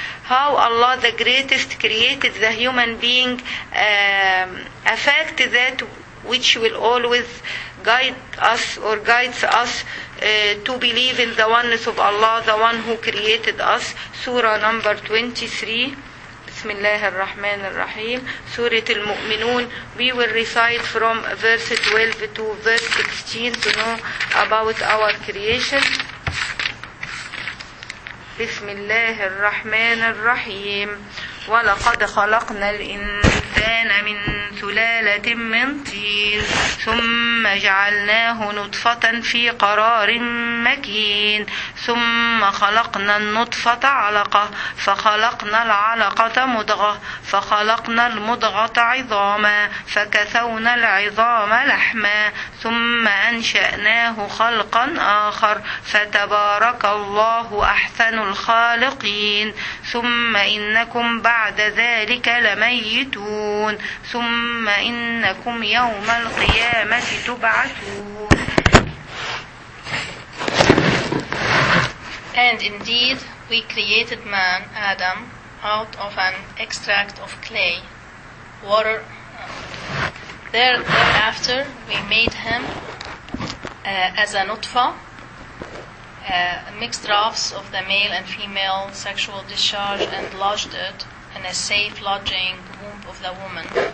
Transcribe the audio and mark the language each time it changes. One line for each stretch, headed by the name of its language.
English: how Allah the greatest created the human being, a fact that which will always guide us or guides us to believe in the oneness of Allah, the one who created us. Surah number 23, Bismillah ar-Rahman ar-Rahim, Surah Al-Mu'minun. We will recite from verse 12 to verse 16 to know about our creation.
Arabic: بسم الله الرحمن الرحيم ولقد خلقنا الإنسان من سلالة من طين ثم جعلناه نطفة في قرار مكين ثم خلقنا النطفة علقة فخلقنا العلقة مضغة فخلقنا المضغة عظاما فكسونا العظام لحما ثم أنشأناه خلقا آخر فتبارك الله أحسن الخالقين ثم إنكم بعد ذلك لميتون ثم إنكم يوم القيامة تبعثون.
English: And indeed, we created man, Adam, out of an extract of clay, water. Thereafter, we made him as a nutfa, mixed drafts of the male and female sexual discharge, and lodged it in a safe lodging womb of the woman.